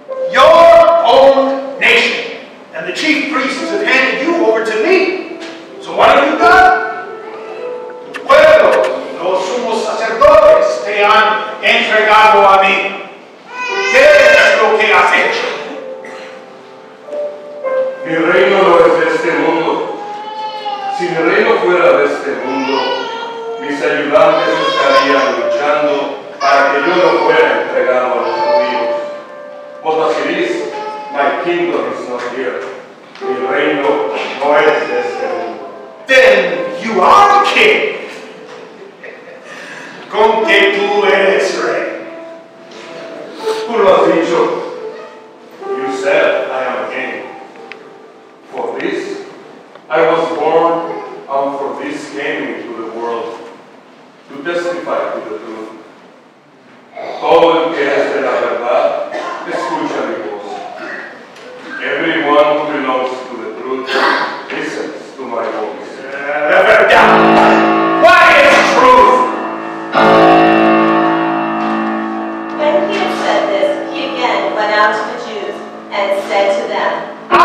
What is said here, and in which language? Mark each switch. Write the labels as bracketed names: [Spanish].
[English] Your own nation and the chief priests have handed you over to me. So what have you done? [Spanish] Tu pueblo, los sumos sacerdotes te han entregado a mí. ¿Qué es lo que has hecho? Mi reino no es de este mundo. Si mi reino fuera de este mundo, mis ayudantes estarían luchando para que yo no fuera entregado a los judíos. [English] But as it is, my kingdom is not here. [Spanish] Mi reino no es de este mundo. [English] Then you are king. [Spanish] Con que tú eres rey. Tú lo has dicho. [English] You said I am king. For this, I was born, and for this came into the world, to testify to the truth. [Spanish] Todo el que es de la verdad, escucha mi voz. [English] Everyone who belongs to the truth, listens to my voice. [Spanish] La verdad! [English] What is truth? When he had said this, he again went out to the Jews and said to them,